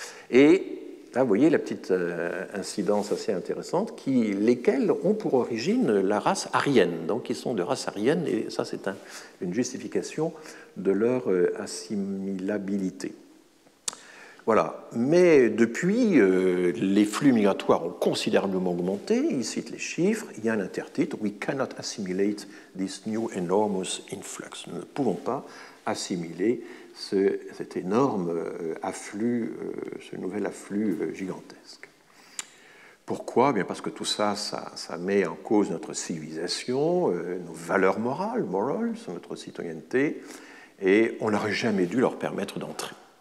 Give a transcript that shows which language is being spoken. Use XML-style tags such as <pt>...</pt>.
<fr>Et là, vous voyez la petite incidence assez intéressante, lesquels ont pour origine la race aryenne. Donc, ils sont de race aryenne, et ça, c'est une justification de leur assimilabilité. Voilà. Mais depuis, les flux migratoires ont considérablement augmenté. Ils citent les chiffres. Il y a un intertitre.</fr> <en>We cannot assimilate this new enormous influx.</en> <fr>Nous ne pouvons pas assimiler cet énorme afflux, ce nouvel afflux gigantesque. Pourquoi ? Bien parce que tout ça, ça met en cause notre civilisation, nos valeurs morales, notre citoyenneté, et on n'aurait jamais dû leur permettre d'entrer.</fr>